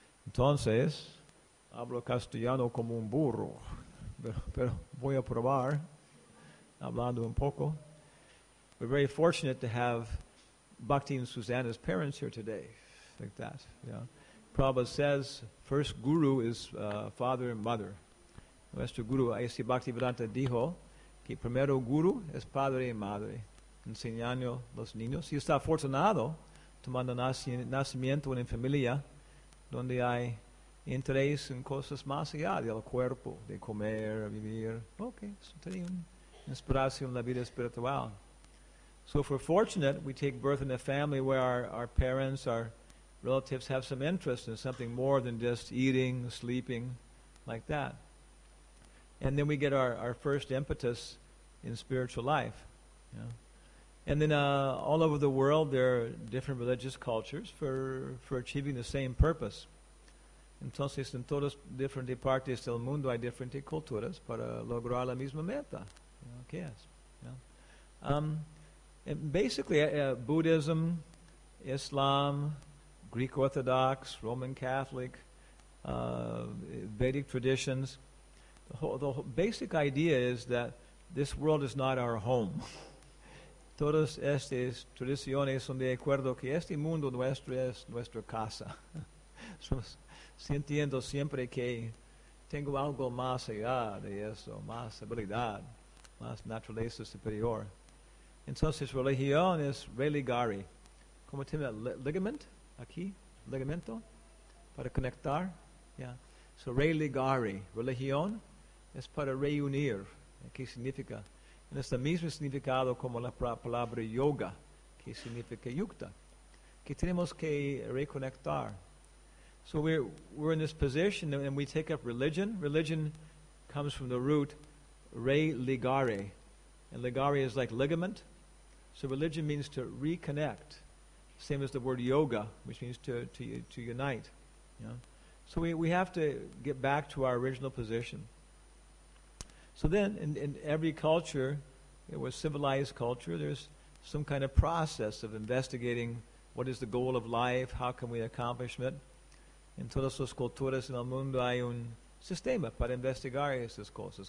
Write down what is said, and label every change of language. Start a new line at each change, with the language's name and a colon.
Spanish: Entonces, hablo castellano como un burro, pero voy a probar hablando un poco.
English: We're very fortunate to have Bhakti and Susanna's parents here today, like that. Yeah. Prabhupada says, first guru is father and mother.
Spanish: Nuestro guru, así Bhaktivedanta dijo, que primero guru es padre y madre, enseñando a los niños. Y está afortunado tomando nacimiento en una familia donde hay interés en cosas más allá del cuerpo, de comer, vivir. Ok, eso tenía una inspiración en la vida espiritual.
English: So if we're fortunate, we take birth in a family where our parents, our relatives have some interest in something more than just eating, sleeping, like that. And then we get our first impetus in spiritual life. Yeah. And then all over the world, there are different religious cultures for achieving the same purpose.
Spanish: Entonces, en todas diferentes partes del mundo hay diferentes culturas para lograr la misma meta.
English: Okay, yes. Yeah. And basically, Buddhism, Islam, Greek Orthodox, Roman Catholic, Vedic traditions, the basic idea is that this world is not our home.
Spanish: Todas estas tradiciones son de acuerdo que este mundo nuestro es nuestra casa. Estamos sintiendo siempre que tengo algo más allá de eso, más habilidad, más naturaleza superior. Entonces, religión es religare. ¿Cómo tiene ligament? Aquí, ligamento, para conectar. Yeah. So, religare, religión, es para reunir. ¿Qué significa? En este mismo significado como la palabra yoga, que significa yukta. Que tenemos que reconectar.
English: So, we're in this position, and we take up religion. Religion comes from the root religare. And ligare is like ligament. So religion means to reconnect, same as the word yoga, which means to unite. You know? So we have to get back to our original position. So then, in every culture, it was civilized culture, there's some kind of process of investigating what is the goal of life, how can we accomplish it.
Spanish: En todas las culturas en el mundo hay un sistema para investigar esas cosas.